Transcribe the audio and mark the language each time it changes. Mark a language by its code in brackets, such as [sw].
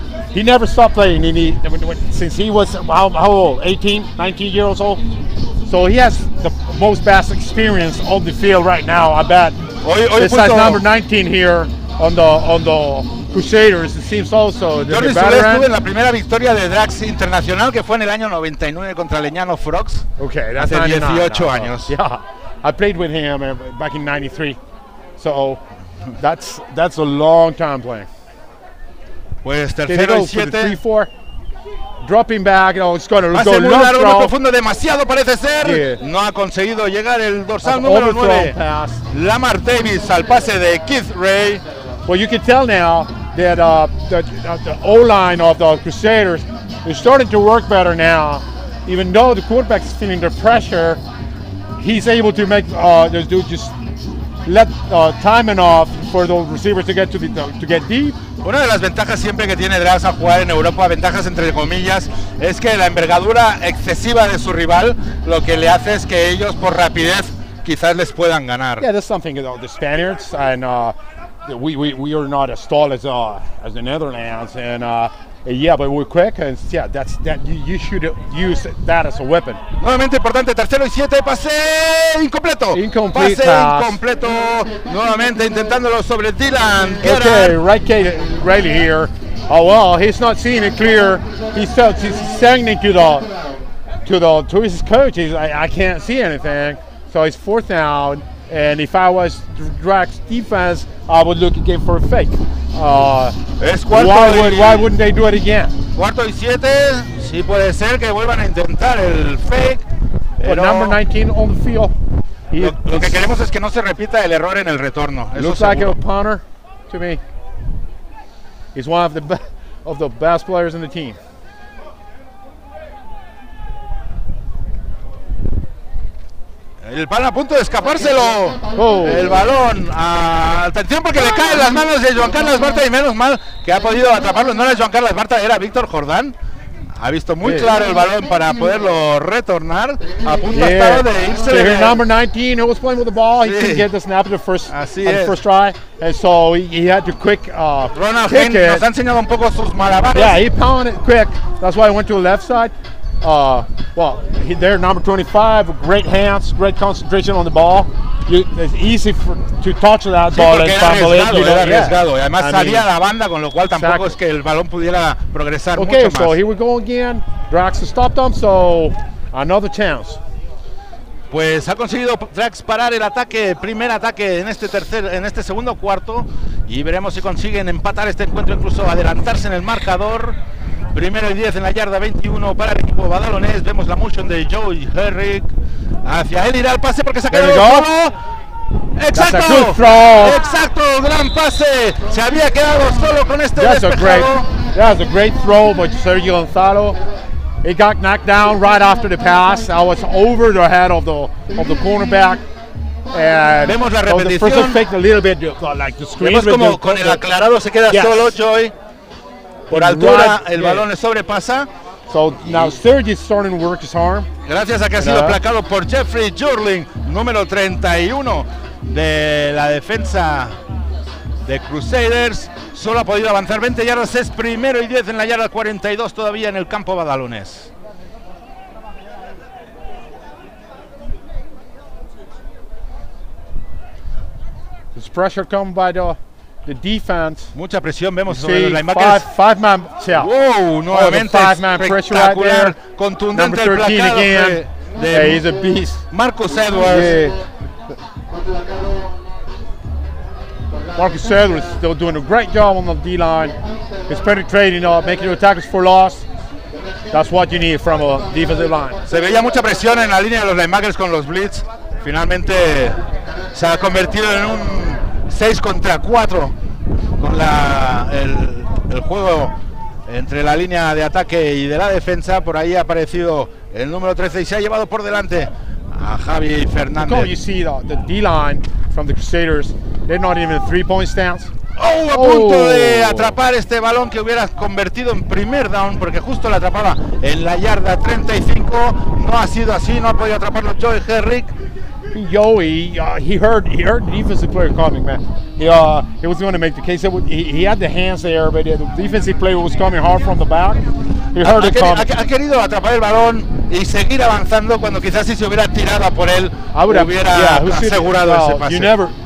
[en] He never stopped playing since he was how old? 18, 19 years old. So he has the most best experience on the field right now, I bet. This is number 19 here on the Crusaders, it seems also. [es] Jordi Soule estuvo en la primera victoria de Drax Internacional, que fue en el año 99 contra Legnano Frogs. [en] Okay, [es] hace 18 años. [en] I played with him back in 93. So that's a long time playing. [es] Pues tercero y 7. [en] Dropping back, you know, it's going to go long throw. [es] Muy profundo, demasiado parece ser. No ha conseguido llegar el dorsal número 9. Lamar Davis al pase de Keith Ray. [en] Well, you can tell now that the O-line of the Crusaders is starting to work better now. Even though the quarterback is feeling the pressure, he's able to make this dude just let time enough for the receivers to get to get deep. Una de las ventajas siempre que tiene Drax a jugar en Europa, ventajas entre comillas, es que la envergadura excesiva de su rival lo que le hace es que ellos por rapidez quizás les puedan ganar. Yeah, that's something about the Spaniards, and we are not as tall as the Netherlands, and but we're quick, and you should use that as a weapon. [es] Nuevamente importante, tercero y 7, pase incompleto. [en] Incomplete [es] pase [en] pass. [es] Incompleto, nuevamente intentándolo sobre Dylan. [en] Okay, right Kate Riley here. Oh well, he's not seeing it clear. He's signing to his coach. He's like, I can't see anything. So it's fourth down, and if I was Drax defense, I would look again for a fake. Why wouldn't they do it again? [es] Cuarto y 7, sí puede ser que vuelvan a intentar el fake. [en] But number 19 on the field. [es] Lo que queremos es que no se repita el error en el retorno. [en] Looks like a punter to me. He's one of the best players in the team. [es] Uh, El balón a punto de escapárselo. El balón. Atención porque le caen las manos de Joan Carles Barta y menos mal que ha podido atraparlo. No era Joan Carles Barta, era Víctor Jordán. Ha visto muy claro el balón para poderlo retornar. A punto estaba de irse. [en] Yeah, so number 19 who was playing with the ball. He couldn't get the snap the first first try. And so he had to quick Ronald kick it. [es] Nos ha enseñado un poco sus malabares. [en] Yeah, he pounded it quick. That's why he went to the left side. They're number 25, great hands, great concentration on the ball. It's easy to touch that ball and fumble it. [es] Era arriesgado. Además salía la banda, con lo cual tampoco es que el balón pudiera progresar mucho más. [en] Okay, so here we go again. Drax has stopped them, so another chance. [es] Pues ha conseguido Drax parar el ataque, primer ataque en este segundo cuarto. Y veremos si consiguen empatar este encuentro, incluso adelantarse en el marcador. Primero y 10 en la yarda 21 para el equipo badalonés. Vemos la motion de Joey Herrick. Hacia él irá el pase porque se ha quedado solo. ¡Exacto! ¡Gran pase! Se había quedado solo con este despejado. [en] That was a great throw by Sergio Gonzalo. It got knocked down right after the pass. I was over the head of the cornerback. [es] And vemos la repetición. [en] The first effect a little bit, like the screen. [es] Vemos como con el aclarado se queda solo Joey. Por altura, el balón le sobrepasa. [en] So now Sergi is starting to work his arm. [es] Gracias a que ha sido aplacado por Jeffrey Jurling, número 31 de la defensa de Crusaders. Solo ha podido avanzar 20 yardas, es primero y 10 en la yarda 42 todavía en el campo badalonés. [en] This pressure come by the defense. [es] Mucha presión, vemos [en] you [es] sobre [en] see, [es] los linebackers. [en] Five man, yeah. [es] Nuevamente, espectacular, contundente el placado de [en] he's a beast. [es] Marcus Edwards. [en] Marcus Edwards is still doing a great job on the D-line. He's penetrating, making the tackles for loss. That's what you need from a defensive line. [es] Se veía mucha presión en la línea de los linebackers con los blitz. Finalmente se ha convertido en un 6 contra 4 con el juego entre la línea de ataque y de la defensa. Por ahí ha aparecido el número 13 y se ha llevado por delante a Javi Fernández. [en] Look how you see the D-line from the Crusaders. They're not even a three-point stance. [es] A punto de atrapar este balón que hubiera convertido en primer down, porque justo la atrapaba en la yarda 35. No ha sido así, no ha podido atraparlo Joey Herrick. [en] He heard the defensive player coming, man. He was going to make the case. He had the hands there, but the defensive player was coming hard from the back. He heard it coming. [es] Ha querido atrapar el balón y seguir avanzando cuando quizás si se hubiera tirado por él, hubiera asegurado ese pase.